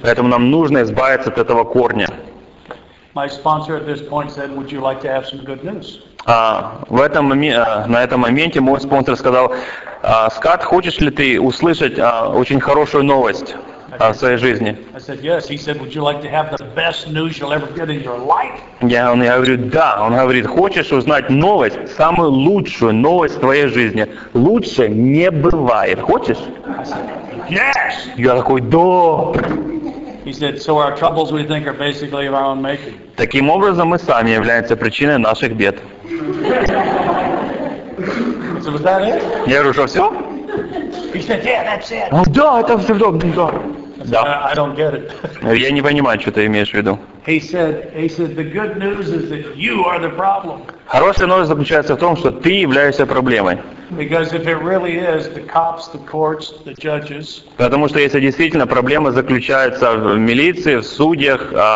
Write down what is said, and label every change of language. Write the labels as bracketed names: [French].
[Russian] Поэтому нам нужно избавиться от этого корня. [English] My sponsor at this point said, "Would you like to have some good news?" [Russian] На этом моменте мой спонсор сказал: "Скат, хочешь ли ты услышать очень хорошую новость в своей жизни?" [English] I said, "Yes." He said, "Would you like to have the best news you'll ever get in your life?" [Russian] Я говорю, да. Он говорит, хочешь узнать новость, самую лучшую новость в твоей жизни? Лучше не бывает. Хочешь? [English] I said, "Yes." [Russian] Я такой, да. [English] He said, "So our troubles we think are basically of our own making." [Russian] Таким образом, мы сами являемся причиной наших бед. [English] So was that it? [Russian] Я говорю, что все? [English] He said, "Yeah, that's it." [Russian] Да, это все. Да. [English] I don't get it. [Russian] Я не понимаю, что ты имеешь в виду. [English] He said, "The good news is that you are the problem." [Russian] Хорошая новость заключается в том, что ты являешься проблемой. [English] Because if it really is, the cops, the courts, the judges. [Russian] Потому что если действительно проблема заключается в милиции, в судьях,